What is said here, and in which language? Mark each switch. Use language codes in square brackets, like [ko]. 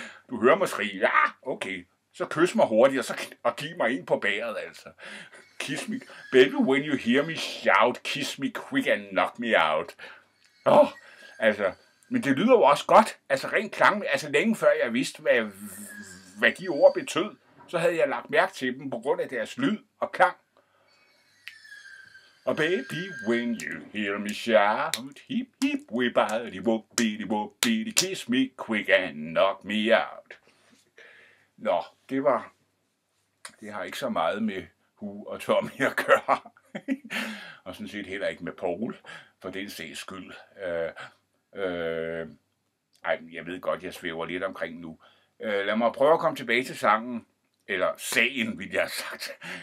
[da] Du hører mig skrige, ja, okay. Så kys mig hurtigt, og så giv mig ind på bæret, altså. [en] Kiss me, baby, when you hear me shout, kiss me quick and knock me out. [da] Altså, men det lyder jo også godt. Altså, rent klang, altså længe før jeg vidste, hvad de ord betød, så havde jeg lagt mærke til dem på grund af deres lyd og klang. [en] Og baby, when you hear me shout, hip, hip, we body, whoop, bitty, whoop, bitty, kiss me quick and knock me out. [da] Nå, det var... Det har ikke så meget med Hugh og Tommy at gøre. Og sådan set heller ikke med Paul, for den sags skyld. Ej, jeg ved godt, jeg svæver lidt omkring nu. Lad mig prøve at komme tilbage til sangen, eller sagen, vil jeg have sagt.